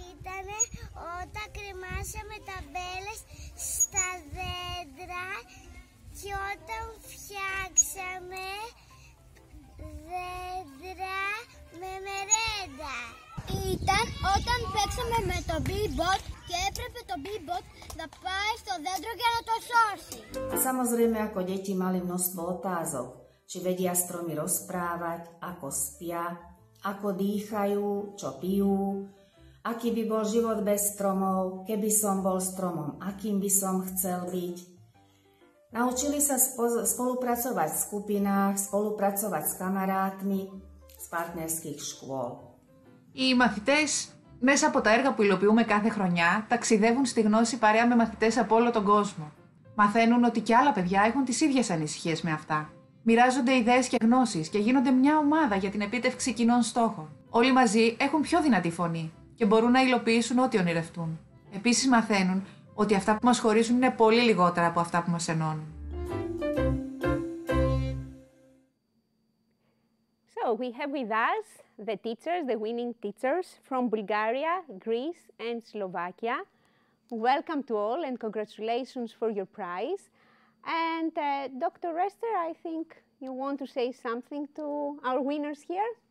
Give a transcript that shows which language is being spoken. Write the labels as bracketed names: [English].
[Greek] Ήταν όταν κρεμάσαμε τα μπέλες στα δέντρα και όταν φτιάξαμε δέντρα με μερέντα. Ήταν όταν παίξαμε με το B-Bot και έπρεπε το B-Bot να πάει στο δέντρο για να το σώσει. [Slovak] Samozrejme, ako deti mali množstvo otázok, či vedia stromy rozprávať, ako spia, ako dýchajú, čo pijú, aký by bol život bez stromov, keby som bol stromom, akým by som chcel byť. Naučili sa spolupracovať v skupinách, spolupracovať s kamarátmi z partnerských škôl. [Greek] Οι μαθητές μέσα από τα έργα που υλοποιούμε κάθε χρονιά ταξιδεύουν στη γνώση παρέα με μαθητές από όλο τον κόσμο. Μαθαίνουν ότι και άλλα παιδιά έχουν τις ίδιες ανησυχίες με αυτά. Μοιράζονται ιδέες και γνώσεις και γίνονται μια ομάδα για την επίτευξη κοινών στόχων. Όλοι μαζί έχουν πιο δυνατή φωνή και μπορούν να υλοποιήσουν ό,τι ονειρευτούν. Επίσης μαθαίνουν ότι αυτά που μας χωρίζουν είναι πολύ λιγότερα από αυτά που μας ενώνουν. [English] So we have with us the teachers, the winning teachers from Bulgaria, Greece and Slovakia. Welcome to all and congratulations for your prize. And Dr. Rester, I think you want to say something to our winners here?